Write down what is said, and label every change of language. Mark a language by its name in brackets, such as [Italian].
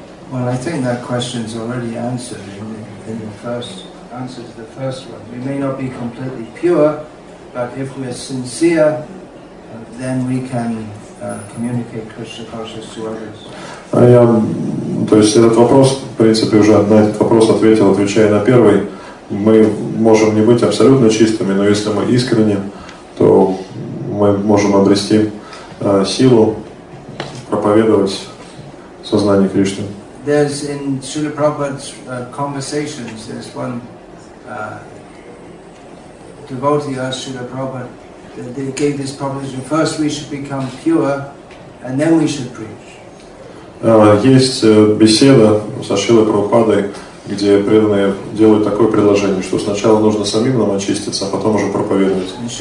[English] Well, I think that question is already answered in the first answer to the first one. We may not be completely pure, but if we are sincere, then we can communicate Krishna consciousness to others. [Russian] То есть этот вопрос, в принципе, уже на этот вопрос ответил, отвечая на первый. Мы можем не быть абсолютно чистыми, но если мы искренне, то мы можем обрести силу проповедовать сознание Кришны. [English] There's in Srila Prabhupada's conversations, there's one devotee asked Srila Prabhupada, they gave this proposition, first we should become pure, and then we should preach. [Russian] Есть беседа со Шрилой Прабхупадой, где преданные делают такое предложение, что сначала нужно самим нам очиститься, а потом уже проповедовать.